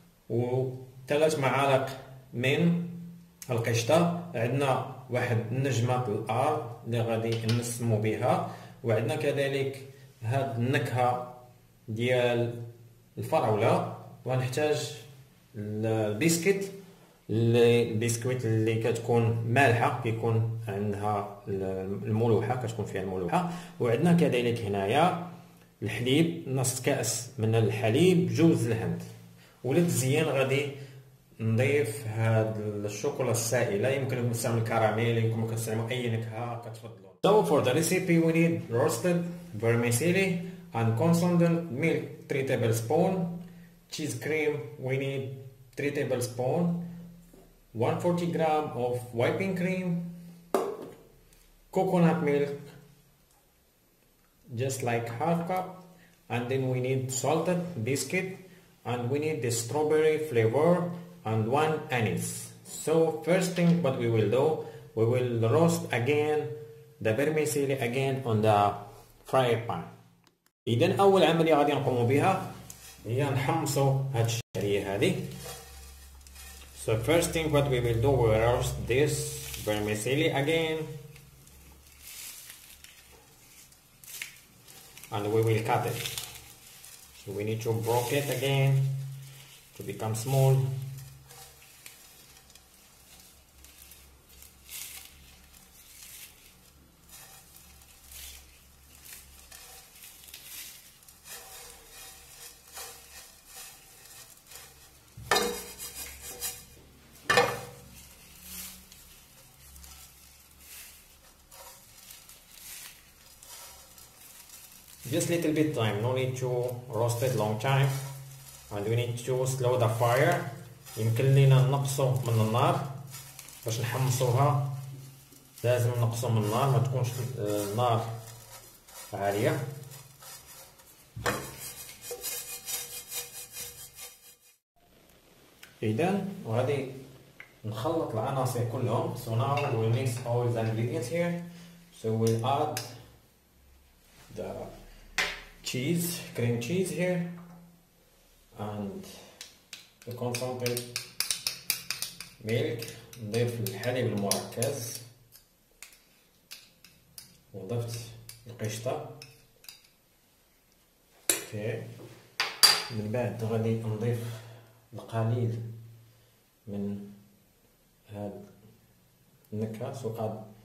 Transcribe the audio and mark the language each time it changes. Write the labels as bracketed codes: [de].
[ar] و 3 معالق من القشطة، عندنا واحد النجمة الأرض اللي غادي نسمو بها، وعندنا كذلك هاد النكهة ديال الفراولة، ونحتاج البسكيت البسكويت اللي كتكون مالحة كيكون عندها الملوحة، كتكون فيها الملوحة. وعندنا كذلك هنايا الحليب، نص كأس من الحليب، جوز الهند، وللتزيين غادي نضيف هاد الشوكولا السائلة. يمكنكم تستعملوا الكراميل، يمكنكم تستعملوا أي نكهة كتفضلوا. [en] So for the recipe we need roasted vermicelli and condensed milk 3 tablespoon. Cheese cream we need 3 tablespoon. 140 gram of whipping cream, coconut milk just like half cup, and then we need salted biscuit, and we need the strawberry flavor and one anise. So first thing what we will do, we will roast again the vermicelli again on the fry pan. [ar] إذن أول عملية غادي نقوم بها هي نحمصو هاد الشعرية هذه. [en] So first thing what we will do, we will roast this vermicelli again and we will cut it. So we need to broke it again to become small. Just little bit time, no need to roast it long time, and we need to slow the fire. [ar] يمكن لنا نقصو من النار باش نحمصوها، لازم نقصو من النار، ما تكونش النار عالية. إذن وغادي نخلط العناصر كلهم. [en] So now we'll mix all the ingredients here. So we'll add the cheese, cream cheese here, and the concentrated milk. [ar] نضيف الحليب المركز، وضفت القشطة. اوكي، من بعد غادي نضيف القليل من هاد النكهة، [en] so add